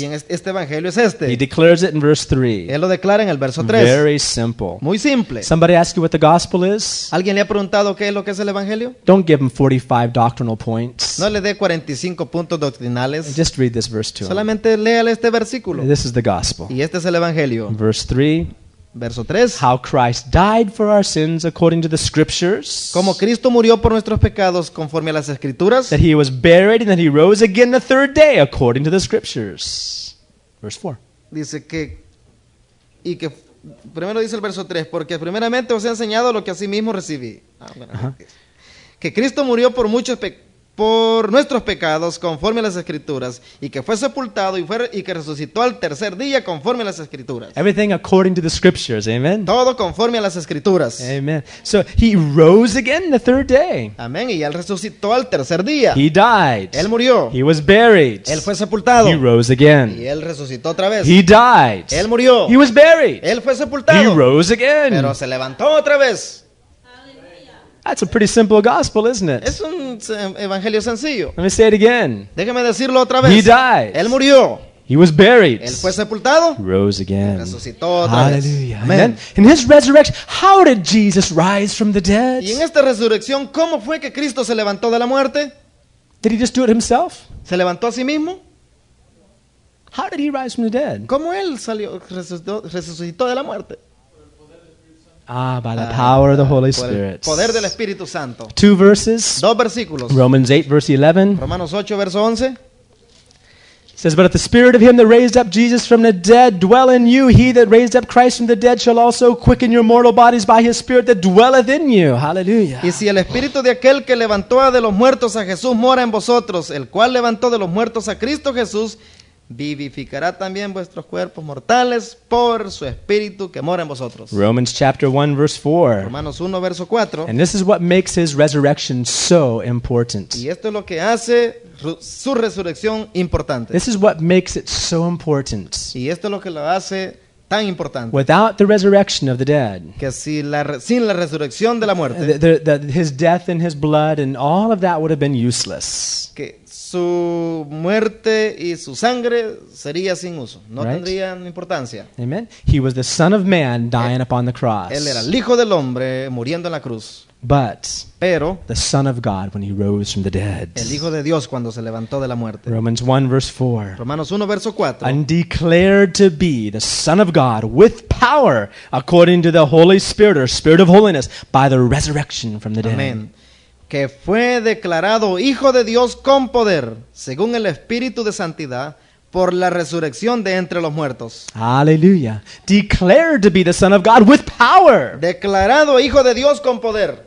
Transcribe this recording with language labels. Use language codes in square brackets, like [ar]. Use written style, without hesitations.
[es] Y en este evangelio es este. [en] He declares it in verse 3. [es] Él lo declara en el verso 3. [en] Very simple. [es] Muy simple. [en] Somebody ask you what the gospel is? [es] ¿Alguien le ha preguntado qué es lo que es el evangelio? [en] Don't give him 45 doctrinal points. [es] No le dé 45 puntos doctrinales. [en] Just read this verse to him. [es] Solamente léale este versículo. [en] This is the gospel. [es] Y este es el evangelio. [en] Verse 3. [es] Verso 3. [en] How Christ died for our sins according to the scriptures. [es] Como Cristo murió por nuestros pecados conforme a las escrituras. [en] That he was buried and that he rose again the third day according to the scriptures. Verse 4. [es] Dice que y que primero dice el verso 3, porque primeramente os he enseñado lo que a sí mismo recibí. Que Cristo murió por muchos pecados. por nuestros pecados conforme a las escrituras y que fue sepultado y que resucitó al tercer día conforme a las escrituras. [en] Everything according to the scriptures, amen. [es] Todo conforme a las escrituras. [en] Amen. So he rose again the third day. [es] Amén, y él resucitó al tercer día. [en] He died. [es] Él murió. [en] He was buried. [es] Él fue sepultado. [en] He rose again. [es] Y él resucitó otra vez. [en] He died. [es] Él murió. [en] He was buried. [es] Él fue sepultado. [en] He rose again. [es] Pero se levantó otra vez. [en] That's a pretty simple gospel, isn't it? [es] Es un evangelio sencillo. [en] Let me say it again. [es] Déjeme decirlo otra vez. [en] He died. [es] Él murió. [en] He was buried. [es] Él fue sepultado. [en] He rose again. [es] Resucitó otra vez. [en] Hallelujah. Amen. In his resurrection, how did Jesus rise from the dead? [es] Y en esta resurrección, ¿cómo fue que Cristo se levantó de la muerte? [en] Did he just do it himself? [es] ¿Se levantó a sí mismo? [en] How did he rise from the dead? [es] ¿Cómo él salió, resucitó de la muerte? [en] Ah, by the power of the Holy Spirit. [es] Poder del Espíritu Santo. [en] Two verses. [es] Dos versículos. [en] Romans 8, verse 11. [es] Romanos 8, verso 11. [en] It says, but if the Spirit of him that raised up Jesus from the dead dwell in you, he that raised up Christ from the dead shall also quicken your mortal bodies by his Spirit that dwelleth in you. Hallelujah. [es] Y si el Espíritu de aquel que levantó de los muertos a Jesús mora en vosotros, el cual levantó de los muertos a Cristo Jesús, vivificará también vuestros cuerpos mortales por su espíritu que mora en vosotros. [en] Romans chapter 1 verse 4. [es] Romanos 1 verso 4. [en] And this is what makes his resurrection so important. [es] Y esto es lo que hace su resurrección importante. [en] This is what makes it so important. [es] Y esto es lo que lo hace tan importante. [en] Without the resurrection of the dead. [es] Que si sin la resurrección de la muerte. [en] His death and his blood and all of that would have been useless. [es] Que su muerte y su sangre sería sin uso, no [en] right? [es] Tendrían importancia. [en] Amen. He was the Son of Man dying upon the cross. [es] Él era el Hijo del Hombre muriendo en la cruz. [en] But [es] pero [en] the Son of God when he rose from the dead. [es] El Hijo de Dios cuando se levantó de la muerte. [en] Romans 1 verse 4. [es] Romanos 1 verso 4. [en] And declared to be the Son of God with power according to the Holy Spirit or Spirit of holiness by the resurrection from the dead. Amen. [es] Que fue declarado Hijo de Dios con poder, según el Espíritu de Santidad, por la resurrección de entre los muertos. Aleluya. [en] Declared to be the Son of God with power. [es] Declarado Hijo de Dios con poder.